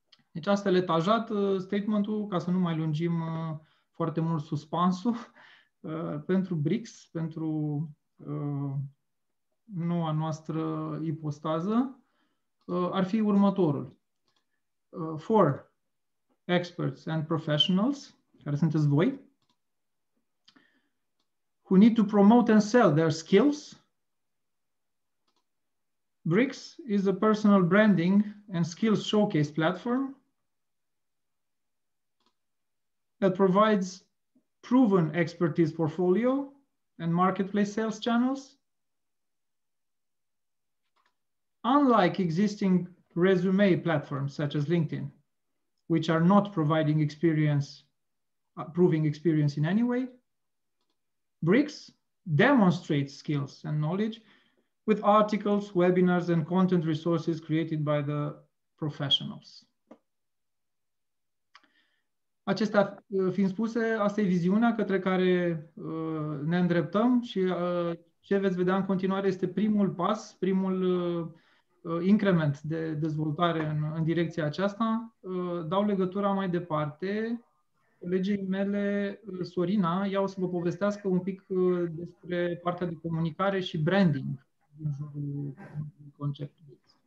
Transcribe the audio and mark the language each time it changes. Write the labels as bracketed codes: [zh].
[ro] Deci asta e etajat statementul, ca să nu mai lungim foarte mult suspansul, pentru BRICS, pentru noua noastră ipostază, ar fi următorul. [en] For experts and professionals, [ro] care sunteți voi, [en] who need to promote and sell their skills, BRICS is a personal branding and skills showcase platform that provides proven expertise portfolio and marketplace sales channels. Unlike existing resume platforms such as LinkedIn, which are not providing experience, proving experience in any way, BRICS demonstrates skills and knowledge with articles, webinars, and content resources created by the professionals. [ro] Acestea fiind spuse, asta e viziunea către care ne îndreptăm și ce veți vedea în continuare este primul pas, primul increment de dezvoltare în direcția aceasta. Dau legătura mai departe colegii mele, Sorina, ea o să vă povestească un pic despre partea de comunicare și branding din jurul conceptului.